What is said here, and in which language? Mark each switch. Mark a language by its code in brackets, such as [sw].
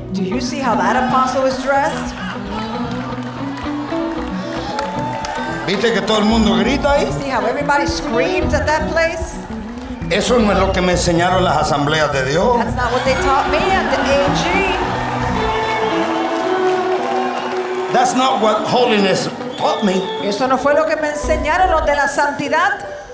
[en] Do you see how that apostle is dressed? [es] ¿Viste que todo el mundo grita ahí? [en] You see how everybody screams at that place? [es] Eso no es lo que me enseñaron las asambleas de Dios. [en] That's not what they taught me at the AG. That's not what holiness taught me. [es] Eso no fue lo que me enseñaron los de la santidad.